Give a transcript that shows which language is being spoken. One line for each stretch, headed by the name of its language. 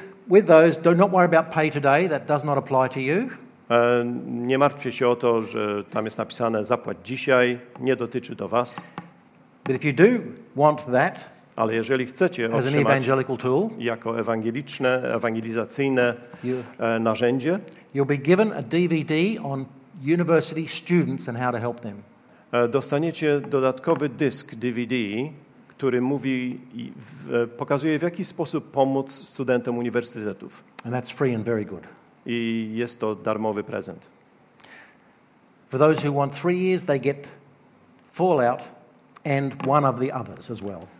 English: With those, do not worry about pay today. That does not apply to you.
Polish: Nie martwcie się o to, że tam jest napisane zapłać dzisiaj. Nie dotyczy to was.
English: But if you do want that,
Polish: ale jeżeli chcecie otrzymać
English: as an evangelical tool,
Polish: jako ewangelizacyjne narzędzie,
English: you'll be given a DVD on university students and how to help them.
Polish: Dostaniecie dodatkowy dysk DVD, który mówi i pokazuje, w jaki sposób pomóc studentom uniwersytetów.
English: And that's free and very good.
Polish: I jest to darmowy prezent.
English: For those who want 3 years, they get Fallout and one of the others as well.